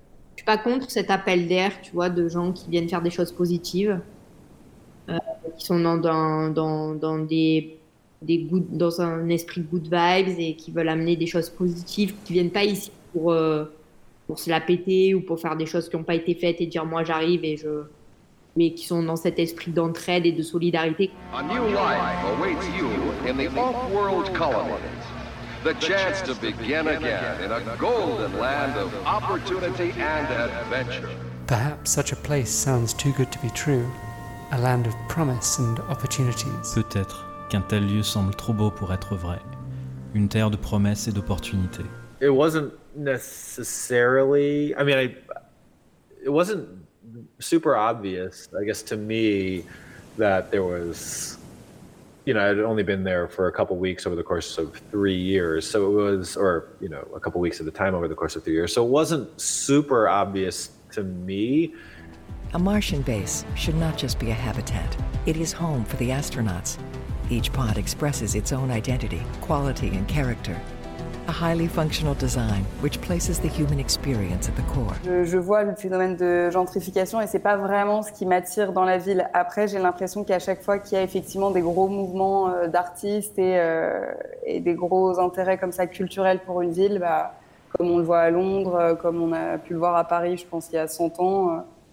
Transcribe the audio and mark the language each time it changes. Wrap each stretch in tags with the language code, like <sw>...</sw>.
<fr>Je ne suis pas contre cet appel d'air, tu vois, de gens qui viennent faire des choses positives, qui sont dans un esprit</fr> <en>good vibes</en> <fr>et qui veulent amener des choses positives, qui ne viennent pas ici pour se la péter ou pour faire des choses qui n'ont pas été faites et dire « moi, j'arrive et je... » mais qui sont dans cet esprit d'entraide et de solidarité.</fr> <en>A new life awaits you in the off-world colony. The chance to begin again in a golden land of opportunity and adventure. Perhaps such a place sounds too good to be true, a land of promise and opportunities.</en> <fr>Peut-être qu'un tel lieu semble trop beau pour être vrai, une terre de promesses et d'opportunités.</fr> <en>It wasn't necessarily, I mean, it wasn't super obvious, I guess, to me that there was. You know, I'd only been there for a couple weeks over the course of 3 years. So it was, or, you know, a couple weeks at a time over the course of 3 years. So it wasn't super obvious to me. A Martian base should not just be a habitat. It is home for the astronauts. Each pod expresses its own identity, quality, and character. A highly functional design, which places the human experience at the core.</en> <fr>Je vois le phénomène de gentrification et c'est pas vraiment ce qui m'attire dans la ville. Après, j'ai l'impression qu'à chaque fois qu'il y a effectivement des gros mouvements d'artistes et des gros intérêts comme ça culturels pour une ville, bah, comme on le voit à Londres, comme on a pu le voir à Paris, je pense, il y a 100 ans.</fr>